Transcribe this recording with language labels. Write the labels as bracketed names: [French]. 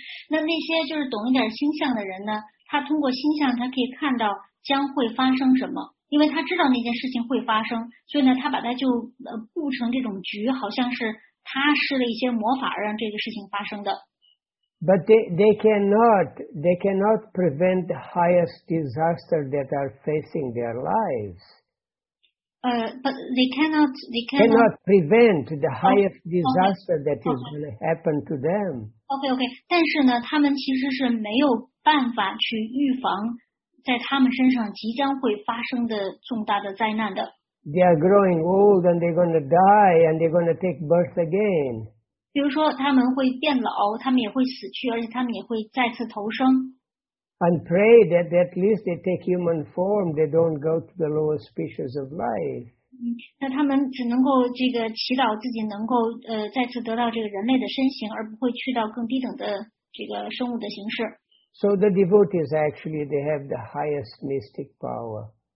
[Chinese] 那些就是懂一点星象的人呢，他通过星象他可以看到将会发生什么，因为他知道那件事情会发生，所以呢，他把它就布成这种局，好像是他施了一些魔法让这个事情发生的。 [English] But they cannot prevent the highest disaster that are facing their lives. But they cannot prevent the highest disaster that is going to happen to them. Okay. [Chinese] 但是呢，他们其实是没有办法去预防在他们身上即将会发生的重大的灾难的。 [English] they are growing old and they're going to die and they're going to take birth again. [Chinese] 比如说他们会变老, 他们也会死去, 而且他们也会再次投生。 [English] And pray that at least they take human form, they don't go to the lower species of life. [Chinese] 那他们只能够这个祈祷自己能够, 再次得到这个人类的身形, 而不会去到更低等的这个生物的形式。 [English] So the devotees actually, they have the highest mystic power.